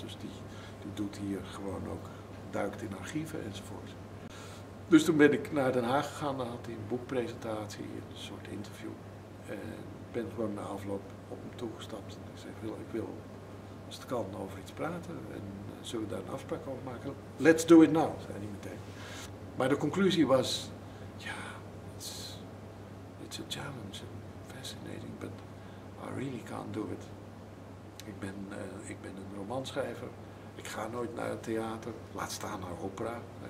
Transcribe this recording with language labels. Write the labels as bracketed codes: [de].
[nl] Dus die doet hier gewoon ook, duikt in archieven enzovoort. Dus toen ben ik naar Den Haag gegaan, daar had hij een boekpresentatie, een soort interview. En ik ben gewoon na afloop op hem toegestapt. En ik zei, ik wil als het kan over iets praten. En zullen we daar een afspraak over maken? [en] Let's do it now, [nl] zei hij meteen. Maar de conclusie was, ja, [en] it's a challenge and fascinating, but I really can't do it. [nl] Ik ben een romanschrijver. Ik ga nooit naar het theater, laat staan naar opera.